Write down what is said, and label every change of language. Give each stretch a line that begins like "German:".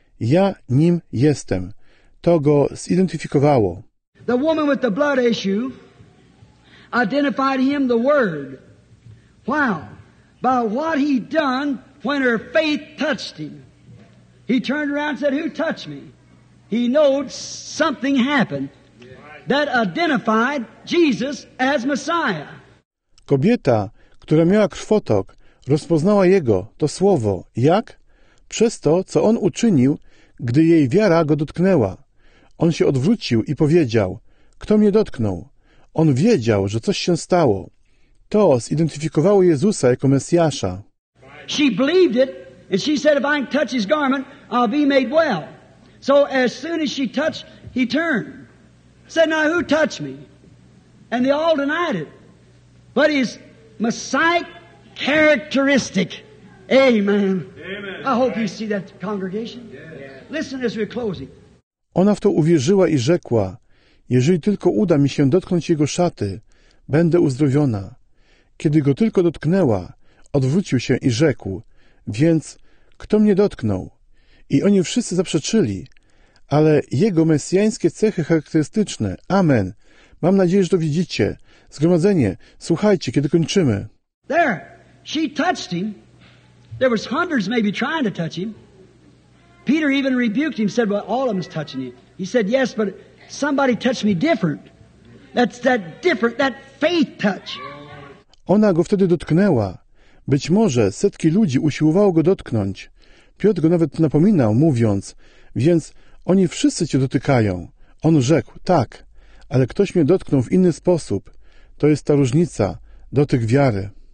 Polish: Ja nim jestem. To go zidentyfikowało.
English: The woman with the blood issue identified him the word. Wow. By what he done when her faith touched him. He turned around and said, who touched me? He knowed something happened that identified Jesus as Messiah.
Polish: Kobieta, która miała krwotok, rozpoznała jego, to słowo. Jak? Przez to, co on uczynił, gdy jej wiara go dotknęła. On się odwrócił i powiedział, kto mnie dotknął? On wiedział, że coś się stało. To zidentyfikowało Jezusa jako Mesjasza.
English: She believed it, and she said, if I can touch his garment, I'll be made well. So as soon as she touched, he turned. Said, now who touched me? And they all denied it. But his Messiah characteristic. Amen. Amen. I hope you see that congregation. Yes. Listen as we're closing.
Polish: Ona w to uwierzyła i rzekła, jeżeli tylko uda mi się dotknąć jego szaty, będę uzdrowiona. Kiedy go tylko dotknęła, odwrócił się i rzekł, więc kto mnie dotknął? I oni wszyscy zaprzeczyli, ale jego mesjańskie cechy charakterystyczne. Amen. Mam nadzieję, że to widzicie. Zgromadzenie, słuchajcie, kiedy kończymy.
English: There, she touched him. There was hundreds maybe trying to touch him. Peter even rebuked him, said, well, all of them's touching you. He said, yes, but somebody touched me different. That's that different, that faith touch.
Polish: Ona go wtedy dotknęła. Być może setki ludzi usiłowało go dotknąć. Piotr go nawet napominał, mówiąc, więc oni wszyscy cię dotykają. On rzekł, tak, ale ktoś mnie dotknął w inny sposób. To jest ta różnica, dotyk wiary.